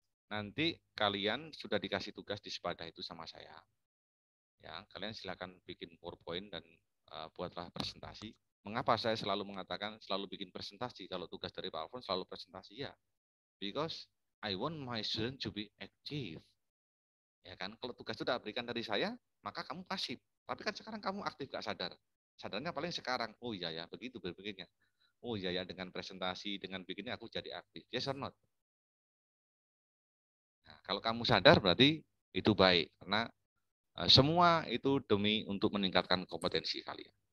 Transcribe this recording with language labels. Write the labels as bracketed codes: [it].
[id] Nanti kalian sudah dikasih tugas di sepadah itu sama saya. Ya, kalian silakan bikin PowerPoint dan buatlah presentasi. Mengapa saya selalu mengatakan selalu bikin presentasi? Kalau tugas dari Pak Alfon selalu presentasi ya. [en] Because I want my student to be active. [id] Ya kan, kalau tugas sudah diberikan dari saya, maka kamu pasif. Tapi kan sekarang kamu aktif gak sadar. Sadarnya paling sekarang. Oh iya ya, begitu berpikirnya. Oh iya ya, dengan presentasi, dengan bikinnya aku jadi aktif. [en] Yes or not? [id] Nah, kalau kamu sadar berarti itu baik karena semua itu demi untuk meningkatkan kompetensi kalian.